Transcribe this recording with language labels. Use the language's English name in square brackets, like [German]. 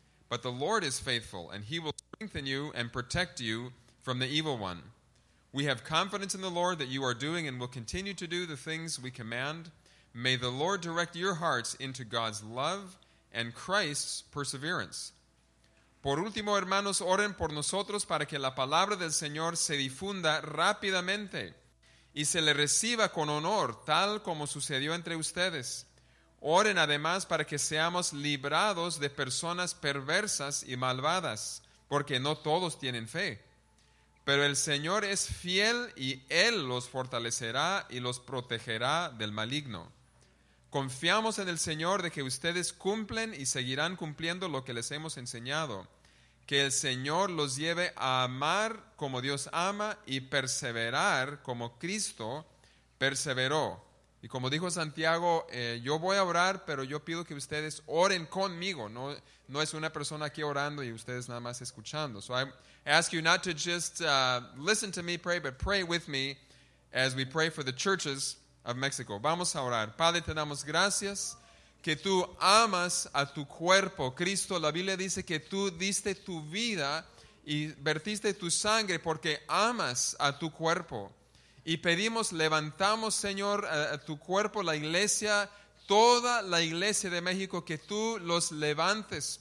[English] But the Lord is faithful, and He will strengthen you and protect you from the evil one. We have confidence in the Lord that you are doing and will continue to do the things we command. May the Lord direct your hearts into God's love and Christ's perseverance. [Spanish] Por último, hermanos, oren por nosotros para que la palabra del Señor se difunda rápidamente y se le reciba con honor, tal como sucedió entre ustedes. Oren además para que seamos librados de personas perversas y malvadas, porque no todos tienen fe. Pero el Señor es fiel y Él los fortalecerá y los protegerá del maligno. Confiamos en el Señor de que ustedes cumplen y seguirán cumpliendo lo que les hemos enseñado. Que el Señor los lleve a amar como Dios ama y perseverar como Cristo perseveró. Y como dijo Santiago, yo voy a orar, pero yo pido que ustedes oren conmigo. No es una persona aquí orando y ustedes nada más escuchando. [English] So I ask you not to just listen to me pray, but pray with me as we pray for the churches of Mexico. [Spanish] Vamos a orar. Padre, te damos gracias que tú amas a tu cuerpo. Cristo, la Biblia dice que tú diste tu vida y vertiste tu sangre porque amas a tu cuerpo. Y pedimos, levantamos, Señor, a tu cuerpo, la iglesia, toda la iglesia de México, que tú los levantes.